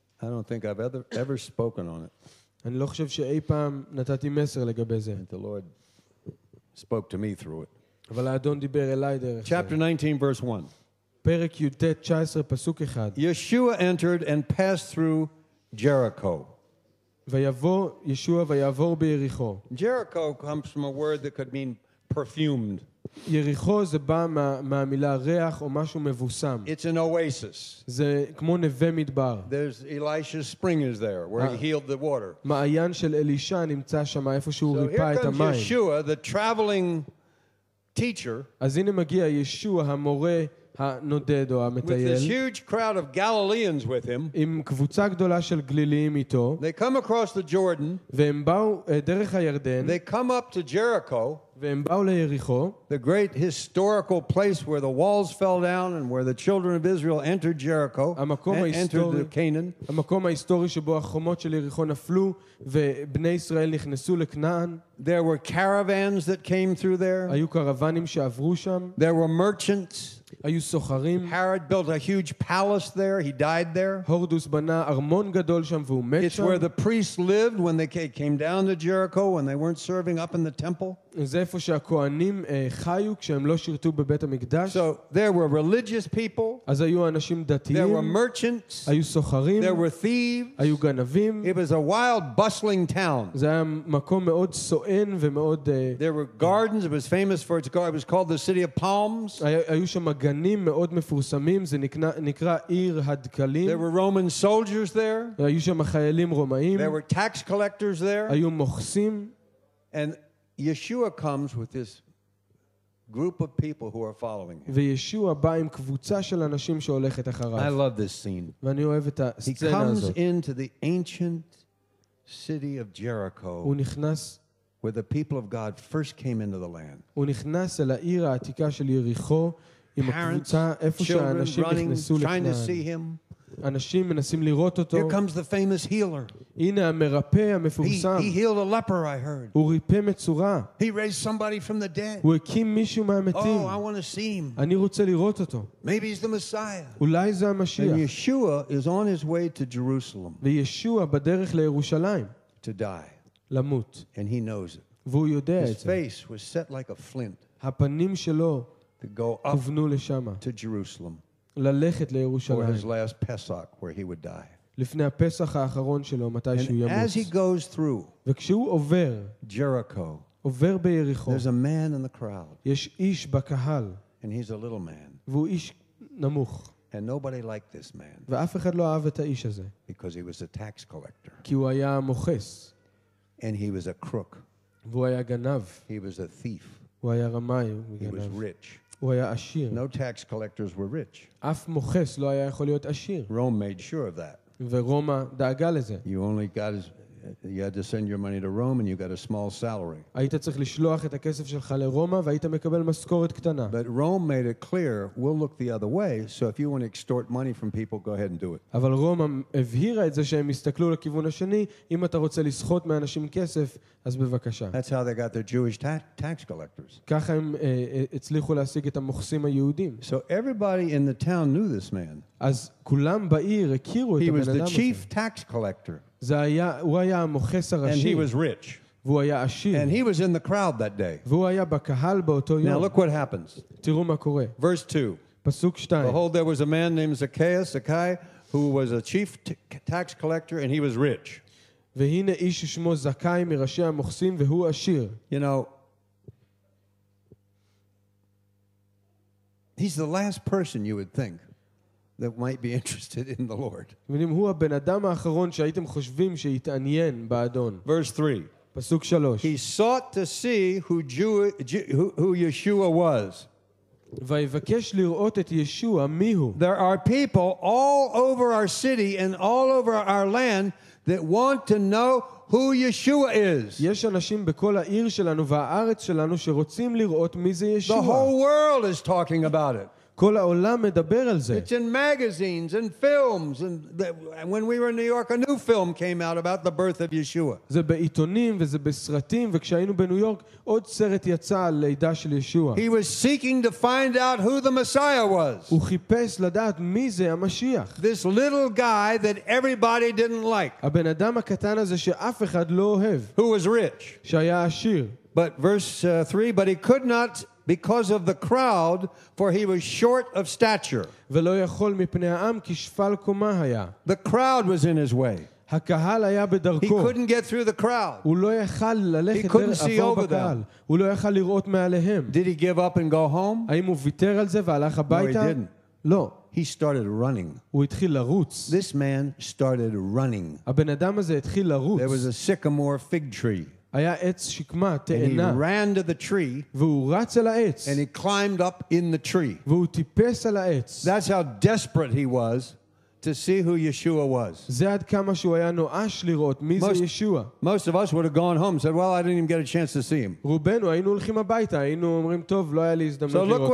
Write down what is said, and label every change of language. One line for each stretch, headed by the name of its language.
English: I don't think I've ever spoken on it.
Hebrew: אני לא חושב שאי פעם נתתי מסר לגבי זה.
English: The Lord spoke to me through it.
Hebrew: אבל האדון דיבר אליי דרך זה.
English: Chapter 19 verse 1.
Hebrew: פרק י"ט 19 פסוק 1.
English: Yeshua entered and passed through Jericho.
Hebrew: ויבוא ישוע ויעבור ביריחו.
English: Jericho comes from a word that could mean perfumed.
Hebrew: יריחו זה בא מהמילה ריח או משהו מבוסם.
English: It's an oasis.
Hebrew: זה כמו נווה מדבר.
English: There's Elisha's spring is there where he healed the water.
Hebrew: מעיין של אלישע נמצא שם איפה שהוא ריפא את המים.
English: Yeshua the traveling teacher.
Hebrew: אז הנה מגיע ישוע המורה הנודד או המטייל.
English: With this huge crowd of Galileans with him.
Hebrew: עם קבוצה גדולה של גלילים איתו.
English: They come across the Jordan.
Hebrew: והם באו דרך הירדן.
English: They come up to Jericho.
Hebrew: והם באו ליריחו.
English: The great historical place where the walls fell down and where the children of Israel entered Jericho.
Hebrew: המקום ההיסטורי.
English: Entered the Canaan.
Hebrew: המקום ההיסטורי שבו החומות של יריחו נפלו ובני ישראל נכנסו לכנען.
English: There were caravans that came through there.
Hebrew: היו קרוונים שעברו שם.
English: There were merchants.
Hebrew: היו סוחרים.
English: Herod built a huge palace there. He died there.
Hebrew: הורדוס בנה ארמון גדול שם והוא מת שם.
English: It's where the priests lived when they came down to Jericho when they weren't serving up in the temple.
Hebrew: זה איפה שהכהנים חיו כשהם לא שירתו בבית המקדש.
English: So there were religious people.
Hebrew: אז היו אנשים דתיים.
English: There were merchants.
Hebrew: היו סוחרים.
English: There were thieves.
Hebrew: היו גנבים.
English: It was a wild, bustling town.
Hebrew: זה היה מקום מאוד סוען ומאוד.
English: There were gardens. It was famous for its garden. It was called the city of palms.
Hebrew: היו שם גנים מאוד מפורסמים. זה נקרא עיר הדקלים.
English: There were Roman soldiers there.
Hebrew: היו שם חיילים רומאים.
English: There were tax collectors there.
Hebrew: היו מוכסים.
English: And Yeshua comes with this group of people who are following him.
Hebrew: וישוע בא עם קבוצה של אנשים שהולכת אחריו.
English: I love this scene.
Hebrew: ואני אוהב את הסצנה הזאת.
English: He comes into the ancient city of Jericho.
Hebrew: הוא נכנס
English: where the people of God first came into the land.
Hebrew: הוא נכנס אל העיר העתיקה של יריחו עם הקבוצה איפה שאנשים נכנסו לכאן. אנשים מנסים לראות אותו.
English: Here comes the famous healer.
Hebrew: הנה המרפא המפורסם.
English: He healed a leper, I heard.
Hebrew: הוא ריפא מצורה.
English: He raised somebody from the dead.
Hebrew: הוא הקים מישהו מהמתים.
English: Oh, I want to see him.
Hebrew: אני רוצה לראות אותו.
English: Maybe he's the Messiah.
Hebrew: אולי זה המשיח.
English: And Yeshua is on his way to Jerusalem.
Hebrew: וישוע בדרך לירושלים.
English: To die.
Hebrew: למות.
English: And he knows it.
Hebrew: והוא יודע את זה.
English: His face was set like a flint.
Hebrew: הפנים שלו כוונו לשמה.
English: To Jerusalem.
Hebrew: ללכת לירושלים.
English: For his last Pesach, where he would die.
Hebrew: לפני הפסח האחרון שלו, מתי שהוא ימות.
English: And as he goes through,
Hebrew: וכשהוא עובר,
English: Jericho,
Hebrew: עובר ביריחו,
English: there's a man in the crowd.
Hebrew: יש איש בקהל.
English: And he's a little man.
Hebrew: והוא איש נמוך.
English: And nobody liked this man.
Hebrew: ואף אחד לא אהב את האיש הזה.
English: Because he was a tax collector.
Hebrew: כי הוא היה מוכס.
English: And he was a crook.
Hebrew: והוא היה גנב.
English: He was a thief.
Hebrew: הוא היה רמאי.
English: He was rich.
Hebrew: הוא היה עשיר.
English: No tax collectors were rich.
Hebrew: אף מוכס לא היה יכול להיות עשיר.
English: Rome made sure of that.
Hebrew: ורומא דאגה לזה.
English: You only got his, you had to send your money to Rome and you got a small salary.
Hebrew: היית צריך לשלוח את הכסף שלך לרומא והיית מקבל משכורת קטנה.
English: But Rome made it clear, we'll look the other way, so if you want to extort money from people, go ahead and do it.
Hebrew: אבל רומא הבהירה את זה שהם הסתכלו לכיוון השני, אם אתה רוצה לסחוט מאנשים כסף, אז בבקשה.
English: That's how they got their Jewish tax collectors.
Hebrew: ככה הם הצליחו להשיג את המוכסים היהודים.
English: So everybody in the town knew this man.
Hebrew: אז כולם בעיר הכירו את הבן אדם הזה.
English: He was the chief tax collector.
Hebrew: הוא היה המוכס הראשי.
English: And he was rich.
Hebrew: והוא היה עשיר.
English: And he was in the crowd that day.
Hebrew: והוא היה בקהל באותו יום.
English: Now look what happens.
Hebrew: תראו מה קורה.
English: Verse 2.
Hebrew: פסוק 2.
English: Behold, there was a man named Zacchaeus, Zacchaeus, who was a chief tax collector, and he was rich.
Hebrew: והנה איש ששמו זכאי מראשי המוכסים והוא עשיר.
English: You know, he's the last person you would think. that might be interested in the Lord.
Hebrew: ואם הוא הבן אדם האחרון שהייתם חושבים שיתעניין באדון.
English: Verse 3.
Hebrew: פסוק 3.
English: He sought to see who Yeshua was.
Hebrew: ויבקש לראות את ישוע מי הוא.
English: There are people all over our city and all over our land that want to know who Yeshua is.
Hebrew: יש אנשים בכל העיר שלנו והארץ שלנו שרוצים לראות מי זה ישוע.
English: The whole world is talking about it.
Hebrew: כל העולם מדבר על זה.
English: It's in magazines and films, and when we were in New York, a new film came out about the birth of Yeshua.
Hebrew: זה בעיתונים וזה בסרטים, וכשהיינו בניו יורק, עוד סרט יצא על לידה של ישוע.
English: He was seeking to find out who the Messiah was.
Hebrew: הוא חיפש לדעת מי זה המשיח.
English: This little guy that everybody didn't like.
Hebrew: הבן אדם הקטן הזה שאף אחד לא אוהב.
English: Who was rich.
Hebrew: שהיה עשיר.
English: But verse 3, but he could not because of the crowd, for he was short of stature.
Hebrew: ולא יכול מפני העם כי שפל קומה היה.
English: The crowd was in his way.
Hebrew: הקהל היה בדרכו.
English: He couldn't get through the crowd.
Hebrew: הוא לא יכל ללכת דרך עבור בקהל.
English: He couldn't see over them.
Hebrew: הוא לא יכל לראות מעליהם.
English: Did he give up and go home?
Hebrew: האם הוא ויתר על זה והלך הביתה?
English: No, he didn't.
Hebrew: לא.
English: He started running.
Hebrew: הוא התחיל לרוץ.
English: This man started running.
Hebrew: הבן אדם הזה התחיל לרוץ.
English: There was a sycamore fig tree.
Hebrew: היה עץ שקמה, תאנה.
English: And he ran to the tree.
Hebrew: והוא רץ על העץ.
English: And he climbed up in the tree.
Hebrew: והוא טיפס על העץ.
English: That's how desperate he was to see who Yeshua was.
Hebrew: זה עד כמה שהוא היה נואש לראות מי זה ישוע.
English: Most of us would have gone home and said, well, I didn't even get a chance to see him.
Hebrew: רובנו היינו הולכים הביתה, היינו אומרים, טוב, לא היה לי הזדמנות לראות אותו.